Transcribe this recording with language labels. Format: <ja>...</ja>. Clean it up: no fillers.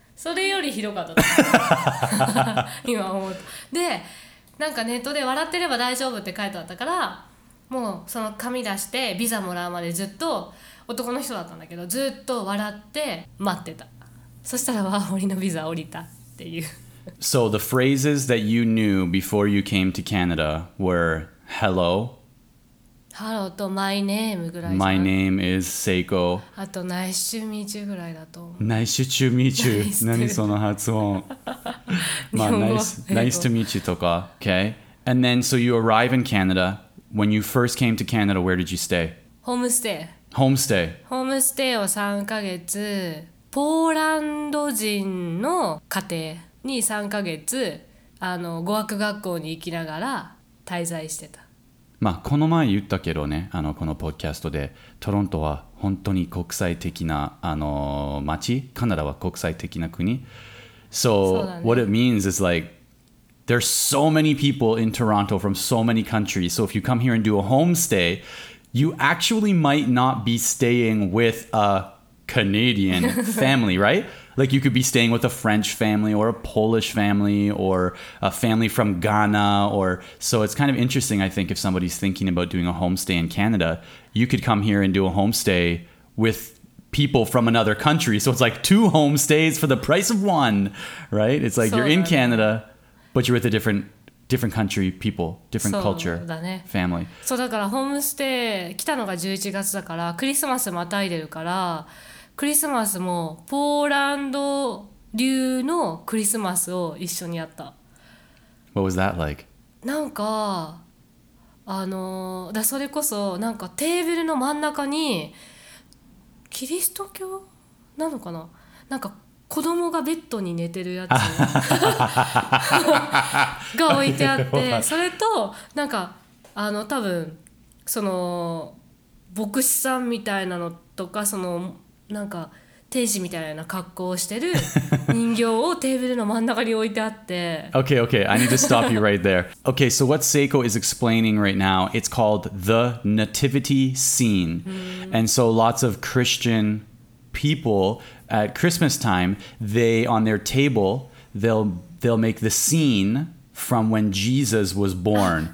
<ja>それよりひどかった今思った。でなんかネットで笑ってれば大丈夫って書いてあったから、もうその紙出してビザもらうまでずっと、男の人だったんだけど、ずっと笑って待ってた。そしたらワーホリのビザ降りたっていう。</ja> <en>So the phrases that you knew before you came to Canada were hello</en> <ja>ハローと</ja> <en>my name</en> <ja>ぐらい。</ja> <en>My name is Seiko。</en> <ja>あと</ja> <en>nice to meet you</en> <ja>ぐらいだと思う。</ja> <en>Nice to meet you。</en> <ja>何その発音まあ</ja> <en>nice to meet you</en> <ja>とか。</ja> <en>Okay. And then so you arrive in Canada. When you first came to Canada, where did you stay?</en> <ja>Homestay を3ヶ月、ポーランド人の家庭に3ヶ月、語学学校に行きながら滞在してた。まあ、この前言ったけどね、このポッキャストで、トロントは本当に国際的な街、カナダは国際的な国。</ja> <en>So、</en> <ja>ね、</ja> <en>what it means is like, there's so many people in Toronto from so many countries. So if you come here and do a homestay, you actually might not be staying with a Canadian family, right? Like you could be staying with a French family or a Polish family or a family from Ghana. Or so it's kind of interesting, I think, if somebody's thinking about doing a homestay in Canada, you could come here and do a homestay with people from another country. So it's like two homestays for the price of one, right? It's like you're in Canada, but you're with a different country, people, different culture, family.</en> <ja>So だからホームステイ来たのが11月だからクリスマスまたいでるから。クリスマスもポーランド流のクリスマスを一緒にやった。</ja> <en>What was that like?</en> <ja>なんかだそれこそなんかテーブルの真ん中にキリスト教なのかな、なんか子供がベッドに寝てるやつが置いてあって、それとなんか多分その牧師さんみたいなのとかそのなんか天使みたいな格好をしてる人形をテーブルの真ん中に置いてあって。</ja> <en>Okay, okay. I need to stop you right there. Okay, so what Seiko is explaining right now, it's called the Nativity Scene. And so lots of Christian people at Christmas time, they on their table, they'll make the scene from when Jesus was born.</en>